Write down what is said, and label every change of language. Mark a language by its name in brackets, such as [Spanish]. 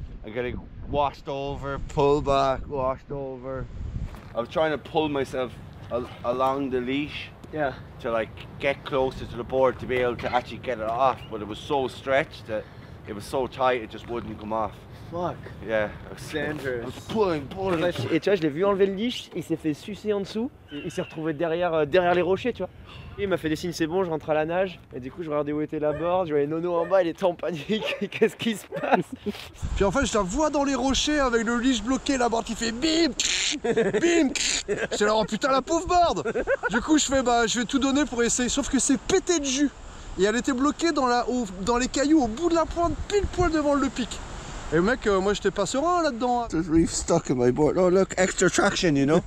[English] I'm getting washed over, pull back, washed over. I was trying to pull myself along the leash. Yeah. To like get closer to the board to be able to actually get it off, but it was so stretched that it was so tight it just wouldn't come off. Fuck. Yeah. [French] C'est dangereux. [English] I was pulling, pulling. [French] Et tu vois, je l'ai vu enlever le leash, il s'est fait sucer en dessous, il s'est retrouvé derrière, derrière les rochers, tu vois. Il m'a fait des signes, c'est bon, je rentre à la nage. Et du coup, je regardais où était la board, je voyais Nono en bas, il était en panique. Qu'est-ce qui se passe? Puis en fait, je la vois dans les rochers avec le leash bloqué, la board qui fait bim, pff, bim. C'est là, oh putain, la pauvre board. Du coup, je fais, bah, je vais tout donner pour essayer. Sauf que c'est pété de jus. Et elle était bloquée dans, la, au, dans les cailloux au bout de la pointe, pile poil devant le pic. Et mec, moi, j'étais pas serein là-dedans. [English] The leaf stuck in my board. Oh, look, extra traction, you know.